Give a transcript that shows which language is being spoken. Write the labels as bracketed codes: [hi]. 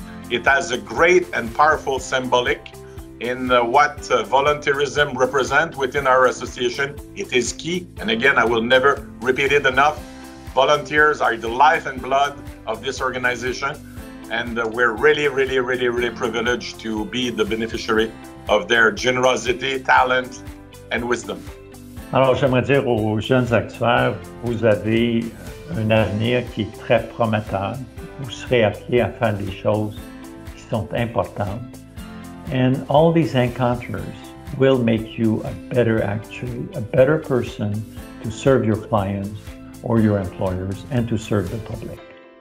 [en] It has a great and powerful symbolic in what volunteerism represents within our association. It is key, and again, I will never repeat it enough. Volunteers are the life and blood of this organization, and we're really, really, really, really privileged to be the beneficiary of their generosity, talent, and wisdom. [fr] Alors, j'aimerais dire aux jeunes actuaires, vous avez un avenir qui est très prometteur. Vous serez appelés à faire des choses qui sont importantes. [en] And all these encounters will make you a better actuary, a better person to serve your clients or your employers and to serve the public.